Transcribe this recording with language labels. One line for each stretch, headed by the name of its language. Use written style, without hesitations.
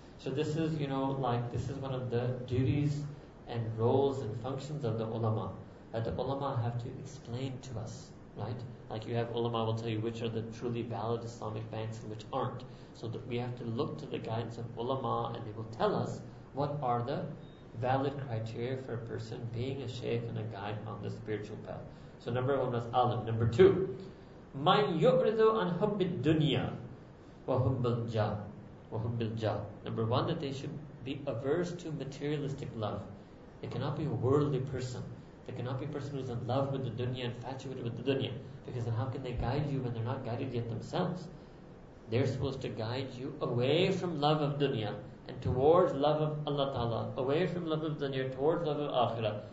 English: So this is, you know, like, this is one of the duties and roles and functions of the ulama, that the ulama have to explain to us, right? Like you have ulama will tell you which are the truly valid Islamic banks and which aren't. So that we have to look to the guidance of ulama and they will tell us what are the valid criteria for a person being a shaykh and a guide on the spiritual path. So number one was alim. Number two,
Arabic: مَنْ يُعْرِضُ عَنْ حُبِّ الدُّنْيَا وَحُبِّ الْجَاهِ.
English: Number one, that they should be averse to materialistic love. They cannot be a worldly person. They cannot be a person who's in love with the dunya, infatuated with the dunya. Because then how can they guide you when they're not guided yet themselves? They're supposed to guide you away from love of dunya and towards love of Allah Ta'ala, away from love of dunya, towards love of akhirah.